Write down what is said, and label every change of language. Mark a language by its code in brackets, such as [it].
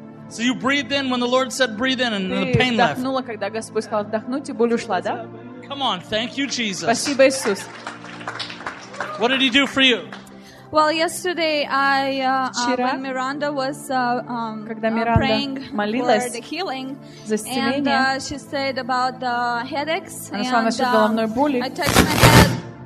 [en] So you breathed in when the Lord said breathe in, and the pain left. [ru] Ты вдохнула, когда Господь сказал вдохнуть, и боль ушла, да? [en] Come on, thank you, Jesus. [ru] Спасибо, Иисус. [en] What did He do for you? Well, yesterday I when Miranda was praying for the healing, and she said about the headaches, I touched my head.